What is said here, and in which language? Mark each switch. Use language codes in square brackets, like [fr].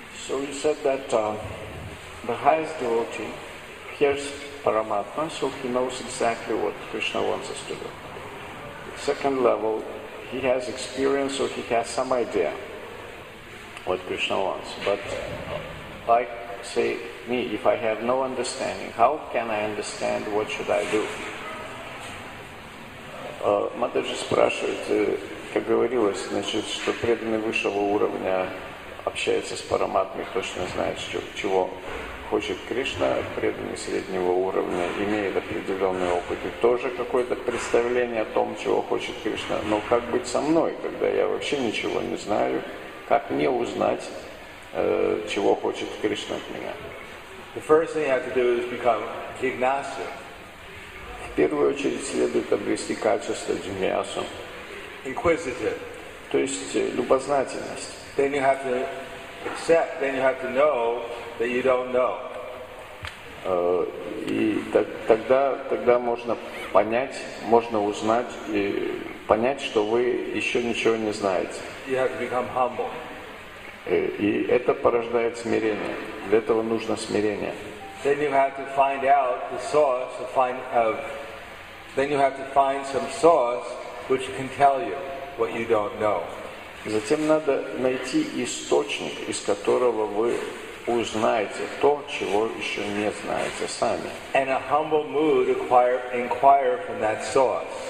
[en] The highest devotee hears Paramatma, so he knows exactly what Krishna wants us to do. Second level, he has experience, so he has some idea what Krishna wants. But like, say, me, if I have no understanding, how can I understand, what should I do? [ru] Матаджи спрашивает, как говорилось, значит, что преданный высшего уровня общается с Параматмой, точно знает, чего хочет Кришна, преданный среднего уровня, имеет определенный опыт и тоже какое-то представление о том, чего хочет Кришна. Но как быть со мной, когда я вообще ничего не знаю? Как мне узнать, чего хочет Кришна от меня? [en] The first thing you have to do is become jignasu. [ru] В первую очередь следует обрести качество джиньясу. [en] Inquisitive. [ru] То есть любознательность. [en] Then you have to accept, then you have to know that you don't know. [ru] И тогда можно понять, можно узнать и понять, что вы еще ничего не знаете. [en] You have to become humble. [ru] И это порождает смирение. Для этого нужно смирение. [en] Then you have to find out the source of then you have to find some source which can tell you what you don't know. [ru] Затем надо найти источник, из которого вы узнаете то, чего еще не знаете сами. [en] And a humble mood inquire from that source.